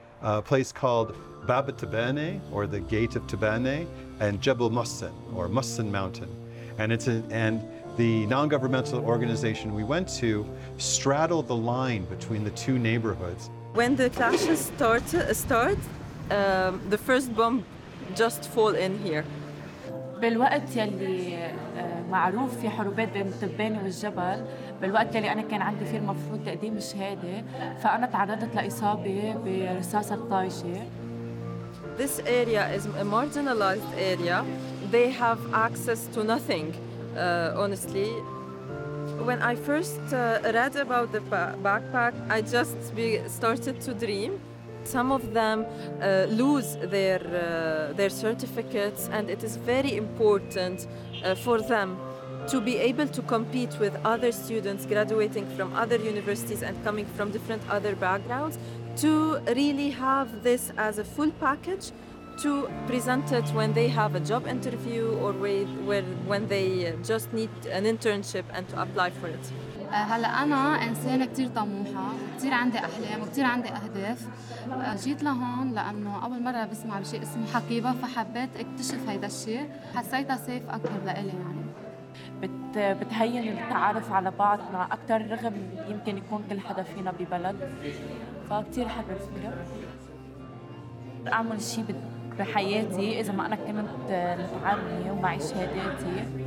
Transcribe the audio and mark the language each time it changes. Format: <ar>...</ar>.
<en>a place called Bab Tabane, or the Gate of Tabane, and Jebel Mussin, or Mussin Mountain. And it's the non-governmental organization we went to straddled the line between the two neighborhoods. When the clashes start, the first bomb just fall in here.</en> <ar>بالوقت يلي معروف في حروبات بين تبان والجبل بالوقت يلي انا كان عندي فيه المفروض تقديم شهاده فانا تعرضت لاصابه برصاصه طايشه.</ar> <en>This area is a marginalized area. They have access to nothing. Honestly, when I first read about the backpack, I just started to dream. Some of them lose their certificates, and it is very important for them to be able to compete with other students graduating from other universities and coming from different other backgrounds to really have this as a full package to present it when they have a job interview or when they just need an internship and to apply for it.</en> <ar>هلا انا انسانه كثير طموحه وكثير عندي احلام وكثير عندي اهداف جيت لهون لانه اول مره بسمع بشيء اسمه حقيبه فحبيت اكتشف هيدا الشيء حسيتها سيف اكثر لإلي يعني بتهين التعارف على بعضنا اكثر رغم يمكن يكون كل حدا فينا ببلد فكثير حابه فيها اعمل شيء بحياتي اذا ما انا كنت متعلمه ومعي شهاداتي.</ar>